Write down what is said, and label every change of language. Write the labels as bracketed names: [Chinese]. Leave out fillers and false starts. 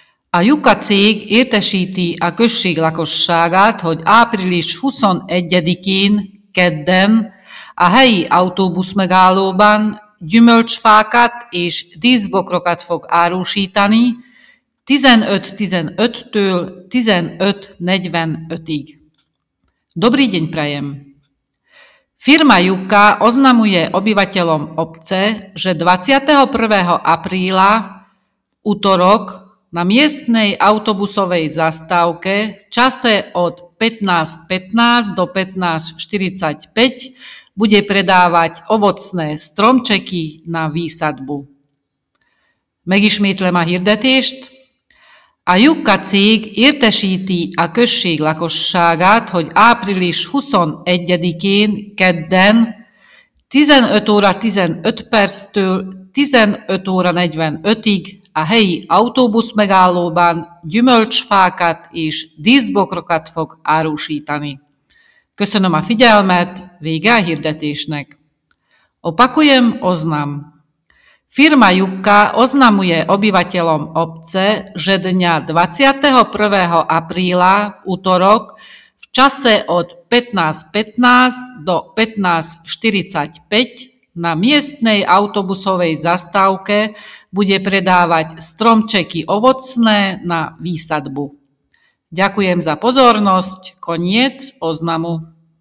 [Hungarian] A Juka cég értesíti a község lakosságát, hogy április 21-én, kedden, a helyi autóbuszmegállóban gyümölcsfákat és díszbokrokat fog árusítani 15:15-től 15:45-ig. [Slovak] Dobrý deň prajem! Firma Juka oznamuje obyvateľom obce, že 21. apríla útorok na miestnej autobusovej zastávke v čase od 15:15 do 15:45 bude predávať ovocné stromčeky na výsadbu. [Hungarian] Megismétlem a hirdetést. A Juka cég értesíti a község lakosságát, hogy április 21-én, kedden, 15:15-től 15:45-ig a helyi autóbusz megállóban gyümölcsfákat és díszbokrokat fog árusítani. Köszönöm a figyelmet, vége a hirdetésnek. [Slovak] Opakujem oznam. Firma Juka oznamuje obyvateľom obce, že dňa 21. apríla v útorok v čase od 15:15 do 15:45 na miestnej autobusovej zastávke bude predávať stromčeky ovocné na výsadbu. Ďakujem za pozornosť. Koniec oznamu.